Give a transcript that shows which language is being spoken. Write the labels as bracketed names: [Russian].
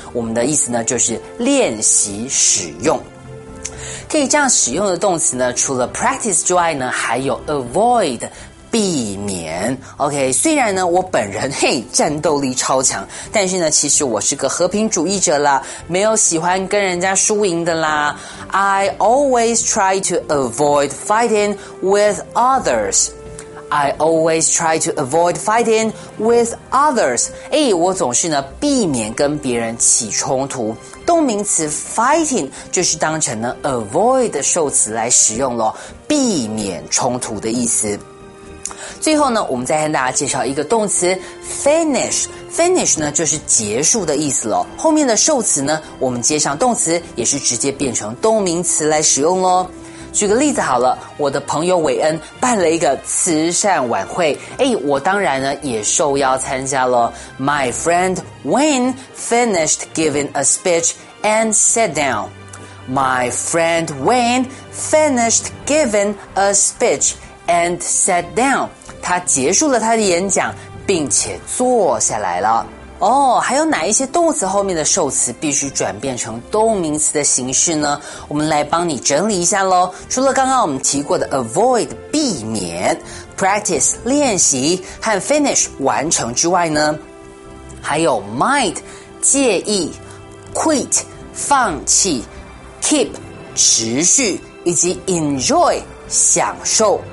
[Chinese] 我们的意思呢，就是练习使用。可以这样使用的动词呢，除了 practice 之外呢，还有 avoid， 避免。 OK， 虽然呢，我本人嘿，战斗力超强，但是呢，其实我是个和平主义者啦，没有喜欢跟人家输赢的啦。 [English] I always try to avoid fighting with others. I always try to avoid fighting with others. [Chinese] 我总是呢避免跟别人起冲突。动名词 fighting 就是当成呢 avoid 的受词来使用咯，避免冲突的意思。最后呢，我们再跟大家介绍一个动词 finish。 Finish 呢就是结束的意思咯。后面的受词呢，我们接上动词也是直接变成动名词来使用咯。举个例子好了，我的朋友韦恩办了一个慈善晚会，我当然呢也受邀参加了。 [English] My friend Wayne finished giving a speech and sat down. My friend Wayne finished giving a speech and sat down. [Chinese] 他结束了他的演讲，并且坐下来了。还有哪一些动词后面的受词必须转变成动名词的形式呢？我们来帮你整理一下咯。除了刚刚我们提过的 avoid 避免， practice 练习和 finish 完成之外呢，还有 mind 介意 quit 放弃 keep 持续以及 enjoy 享受。